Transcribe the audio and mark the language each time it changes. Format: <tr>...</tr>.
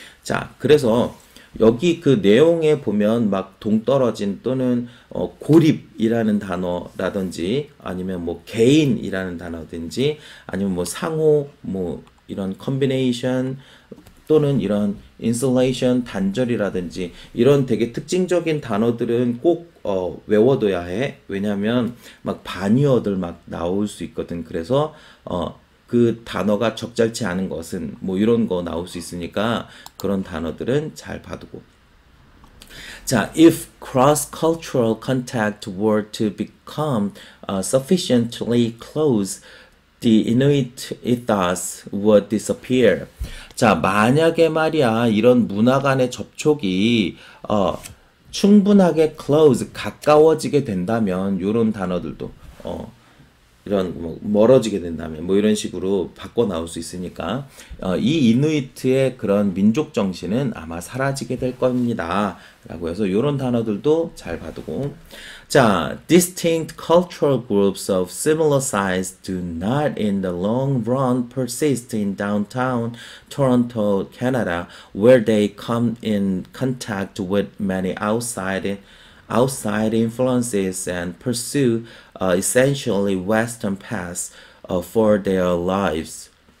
<ko>자, 그래서 여기 그 내용에 보면 막 동떨어진 또는 고립이라는 단어라든지 아니면 뭐 개인이라는 단어든지 아니면 뭐 상호 뭐 이런 컨비네이션 또는 이런 인솔레이션 단절이라든지 이런 되게 특징적인 단어들은 꼭 외워둬야 해. 왜냐하면 막 반의어들 막 나올 수 있거든. 그래서 그 단어가 적절치 않은 것은 뭐 이런 거 나올 수 있으니까 그런 단어들은 잘 봐두고.</ko> <en>자, if cross-cultural contact were to become sufficiently close, the Inuit ethos would disappear.</en> <ko>자, 만약에 말이야, 이런 문화 간의 접촉이 충분하게 close, 가까워지게 된다면, 이런 단어들도, 이런 뭐 멀어지게 된다면, 뭐 이런 식으로 바꿔 나올 수 있으니까, 이 이누이트의 그런 민족 정신은 아마 사라지게 될 겁니다. 라고 해서 이런 단어들도 잘 봐두고.</ko> <en>자, distinct cultural groups of similar size do not in the long run persist in downtown Toronto, Canada, where they come in contact with many outside influences and pursue essentially Western paths for their lives.</en>